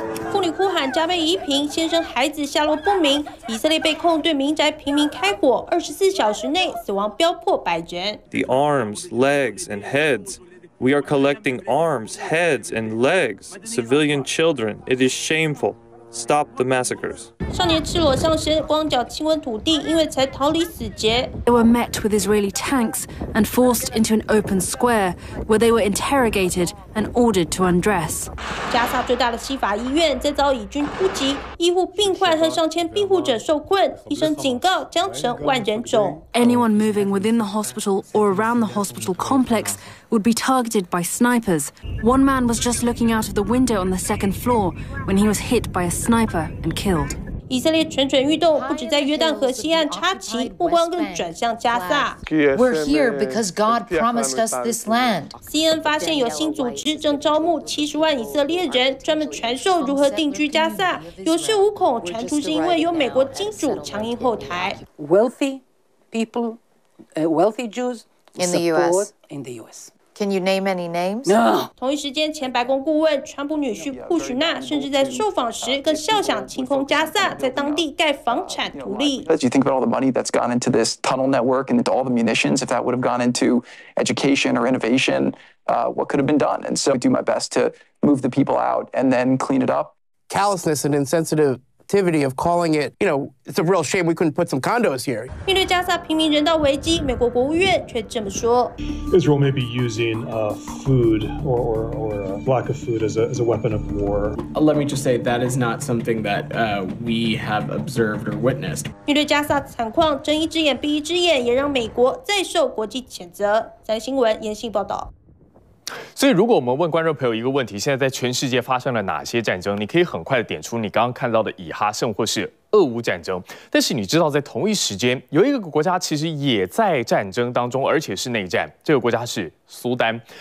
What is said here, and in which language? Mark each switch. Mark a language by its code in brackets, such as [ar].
[zh] 妇女哭喊家被夷平，先生孩子下落不明，以色列被控对民宅平民开火，24小时内死亡飙破100人。 [en] The arms, legs, and heads. We are collecting arms, heads, and legs. Civilian children. It is shameful. Stop the massacres. [zh] 少年赤裸上身，光脚亲吻土地，因为才逃离死劫。 [en] They were met with Israeli tanks and forced into an open square where they were interrogated and ordered to undress. [zh] 加萨最大的西法医院在遭以军突袭，医护病患和上千庇护者受困，医生警告将成万人冢。 [en] Anyone moving within the hospital or around the hospital complex. Would be targeted by snipers. One man was just looking out of the window on the second floor when he was hit by a sniper and killed. [zh] Israel 蠢蠢欲动，不止在约旦河西岸插旗，目光更转向加萨。 [en] We're here because God promised us this land. [zh] CNN 发现有新组织正招募70万以色列人，专门传授如何定居加萨，有恃无恐，传出是因为有美国金主强硬后台。 [en] Wealthy people, wealthy Jews. In the U.S. In the U.S. Can you name any names? No. [zh] 同一时间，前白宫顾问川普女婿库许纳甚至在受访时更笑想清空加萨，在当地盖房产图利。 [en] As you think about all the money that's gone into this tunnel network and into all the munitions, if that would have gone into education or innovation, what could have been done? And so, I do my best to move the people out and then clean it up. Callousness and insensitive. Of calling it, you know, it's a real shame we couldn't put some condos here. [zh] 面对加萨平民人道危机，美国国务院却这么说。 [en] Israel may be using food or lack of food as a weapon of war. Let me just say that is not something that we have observed or witnessed. [zh] 面对加萨惨况，睁一只眼闭一只眼，也让美国再受国际谴责。三新闻严信报道。所以如果我们问观众朋友一个问题，现在在全世界发生了哪些战争，你可以很快的点出你刚刚看到的以哈胜或是俄乌战争。但是你知道在同一时间有一个国家其实也在战争当中，而且是内战，这个国家是苏丹。